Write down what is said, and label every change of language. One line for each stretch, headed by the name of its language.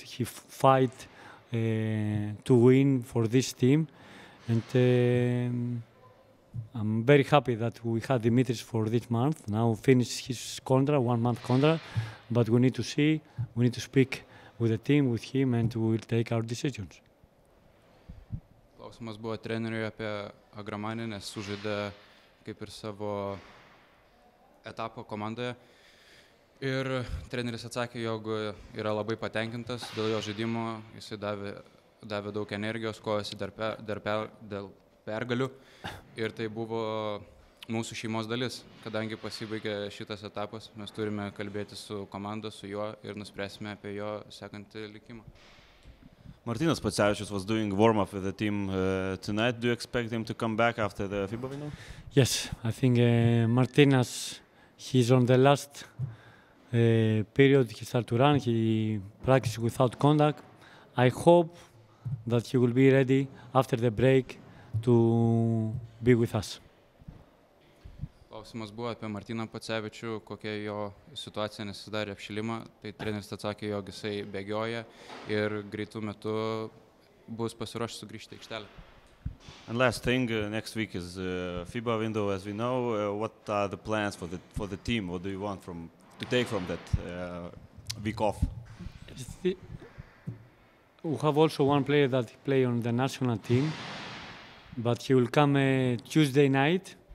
English: He fight to win for this team. And I'm very happy that we had Dimitris for this month. Now finish his contract, 1 month contract. But we need to see, we need to speak with the team, with him, and we will take our decisions.
Lithuanian: Klausimas buvo treneriui apie Agramanį, nes sužaidė kaip ir savo etapo komandoje. Ir treneris atsakė, jog yra labai patenkintas dėl jo žaidimo. Jis davė daug energijos, kojosi dėl pergalių. Ir tai buvo mūsų šeimos dalis. Kadangi pasibaigė šitas etapas, mes turime kalbėti su komanda, su juo ir nuspręsime apie jo sekantį likimą.
English: Martinas Pocevičius was doing warm up with the team tonight. Do you expect him to come back after the FIBA final? Yes, I think Martinas, he's on the last period. He started to run. He practiced without contact. I hope that he will be ready after the break to be with us.
Lithuanian: Klausimas buvo apie Martiną Pocevičių, kokia jo situacija nesidarė apšilimą. Tai treneris atsakė, jog jisai bėgioja ir greitų metu bus pasiruošęs sugrįžti aikštelę.
English: And last thing, next week is FIBA window, as we know. What are the plans for the team? What do you want to take from that week off? We have also one player that play on the national team, but he will come Tuesday night.